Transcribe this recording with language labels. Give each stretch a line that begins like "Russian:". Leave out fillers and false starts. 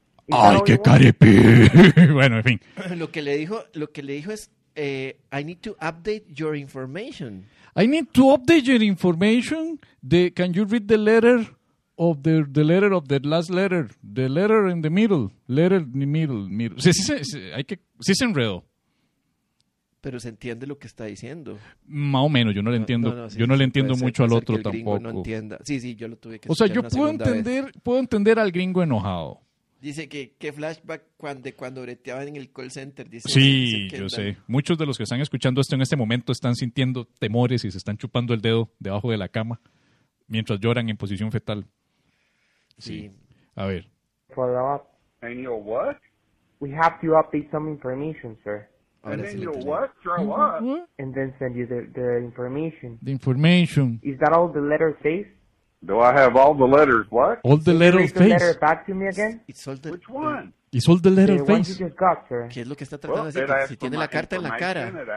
Spanish: Ay, qué caripi. Bueno, en fin. Lo que le dijo es,
English: I need to update your information. I need to update your information. Can you read the letter of the letter of the last letter? The letter in the middle. Letter in the middle.
Spanish: Sí, se enredó. Pero se entiende lo que está diciendo. Más o menos, yo no le entiendo. Sí, yo no le entiendo mucho al otro tampoco. No entienda. Sí, yo lo tuve que... O sea, yo puedo entender al gringo enojado. Dice que qué flashback cuando breteaban en el call center. Dice, sí, yo sé. Muchos de los que están escuchando esto en este momento están sintiendo temores y se están chupando el dedo debajo de la cama mientras lloran en posición fetal. Sí. A ver.
English: And you're what? We have to update some information, sir. And then you'll what? Throw up. And then send you the information. The information. Is that all the letters safe? Do I have all the letters what? All the letters safe. Can you read the letter back to me again? It's all the... Which one? It's all the letters safe. The one you just got, sir.
Spanish: ¿Qué es lo que está tratando de decir? Si tiene la carta en la cara.